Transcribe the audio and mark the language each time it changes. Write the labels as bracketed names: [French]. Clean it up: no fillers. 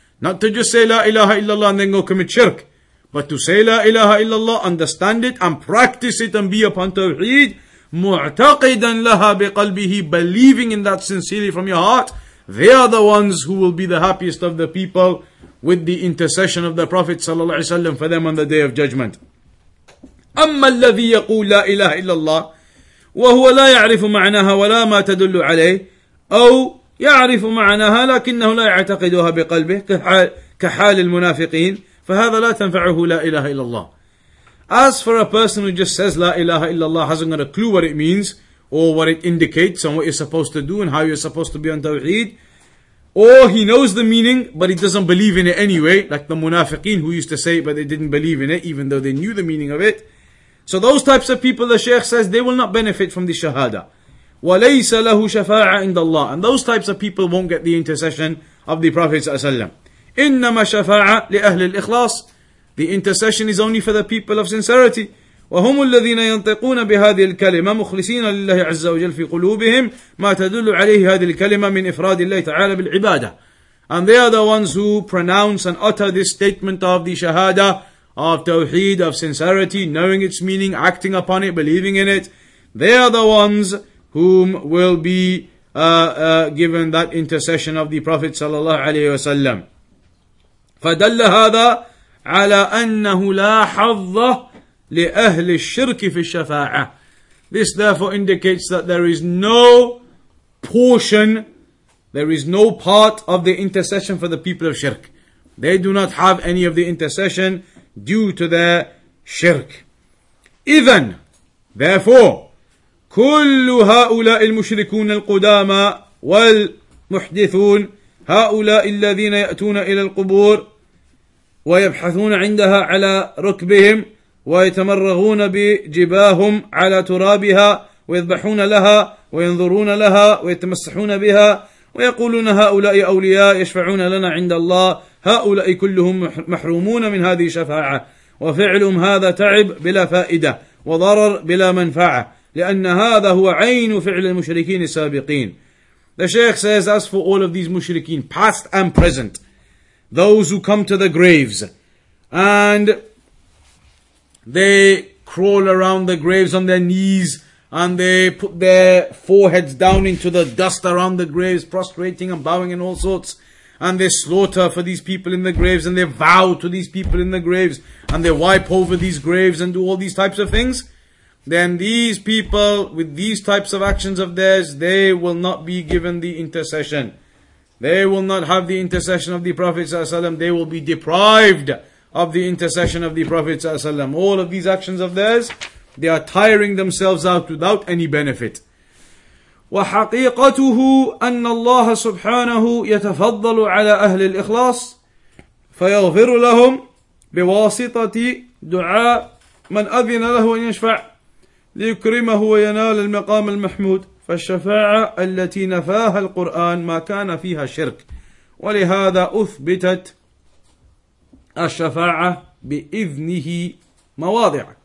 [English] Not to just say La ilaha illallah and then go commit shirk, but to say La ilaha illallah, understand it and practice it and be upon Tawheed. [Arabic] مُعْتَقِدًا لَهَا بِقَلْبِهِ. [English] Believing in that sincerely from your heart. They are the ones who will be the happiest of the people with the intercession of the Prophet صلى الله عليه وسلم for them on the Day of Judgment. [Arabic] أَمَّا الَّذِي يَقُولُ لَا إِلَهَ إِلَّا اللَّهِ وَهُوَ لَا يَعْرِفُ مَعْنَاهَا وَلَا مَا تَدُلُّ عَلَيْهِ أو يعرف معناها لكنه لا يعتقدها بقلبه كحال المنافقين فهذا لا تنفعه لا إله إلا الله. [English] As for a person who just says La ilaha illallah, hasn't got a clue what it means or what it indicates and what you're supposed to do and how you're supposed to be on Tawheed, or he knows the meaning but he doesn't believe in it anyway, like the munafiqeen who used to say it but they didn't believe in it even though they knew the meaning of it. So those types of people, the Shaykh says, they will not benefit from the shahada. [Arabic] وَلَيْسَ لَهُ شَفَاعَ عِنْدَ اللَّهِ. [English] And those types of people won't get the intercession of the Prophet ﷺ. [Arabic] إِنَّمَا شَفَاعَ لِأَهْلِ الْإِخْلَاصِ. [English] The intercession is only for the people of sincerity. [Arabic] وَهُمُ الَّذِينَ يَنْطِقُونَ بِهَذِهِ الْكَلِمَةِ مُخْلِصِينَ لِلَّهِ عَزَّ وَجَلَّ فِي قُلُوبِهِمْ مَا تَدُلُّ عَلَيْهِ هَذِهِ الْكَلِمَةِ مِنْ إِفْرَادِ اللَّهِ تَعَالَى بِالْعِبَادَةِ. [English] And they are the ones who pronounce and utter this statement of the shahada, of tawheed, of sincerity, knowing its meaning, acting upon it, believing in it. They are the ones whom will be given that intercession of the Prophet sallallahu alaihi wasallam. [Arabic] فدل هذا على أنه لا حظ لأهل الشرك في الشفاعة. [English] This therefore indicates that there is no portion, there is no part of the intercession for the people of shirk. They do not have any of the intercession due to their shirk. [Arabic] إذن, [English] therefore, [Arabic] كل هؤلاء المشركون القدامى والمحدثون هؤلاء الذين يأتون إلى القبور ويبحثون عندها على ركبهم ويتمرغون بجباههم على ترابها ويذبحون لها وينظرون لها ويتمسحون بها ويقولون هؤلاء أولياء يشفعون لنا عند الله هؤلاء كلهم محرومون من هذه الشفاعة وفعلهم هذا تعب بلا فائدة وضرر بلا منفعة لأن هذا هو عين فعل المشركين السابقين. [English] The Shaykh says, as for all of these mushrikeen, past and present, those who come to the graves and they crawl around the graves on their knees and they put their foreheads down into the dust around the graves, prostrating and bowing and all sorts, and they slaughter for these people in the graves and they vow to these people in the graves and they wipe over these graves and do all these types of things, then these people, with these types of actions of theirs, they will not be given the intercession. They will not have the intercession of the Prophet ﷺ. They will be deprived of the intercession of the Prophet ﷺ. All of these actions of theirs, they are tiring themselves out without any benefit. [Arabic] وَحَقِيقَتُهُ أَنَّ اللَّهَ سُبْحَانَهُ يَتَفَضَّلُ عَلَىٰ أَهْلِ الْإِخْلَاصِ فَيَغْفِرُ لَهُمْ بِوَاسِطَةِ دُعَاءَ مَنْ أَذِنَ لَهُ أَنْ يَشْفَعَ ليكرمه وينال المقام المحمود فالشفاعة التي نفاها القرآن ما كان فيها شرك ولهذا أثبتت الشفاعة بإذنه مواضع.